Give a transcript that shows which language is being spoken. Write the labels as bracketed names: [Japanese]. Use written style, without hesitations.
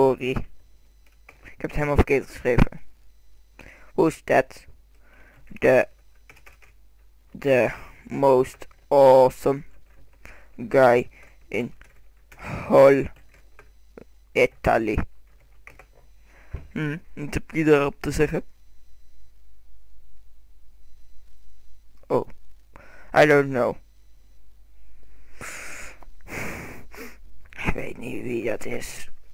[Dutch] Ik heb het helemaal verkeerd geschreven. [English] Who's that? The most awesome guy in whole Italy. [Dutch] Wat heb je daarop te zeggen? [English] Oh, I don't know. [Dutch] Ik weet niet wie dat is.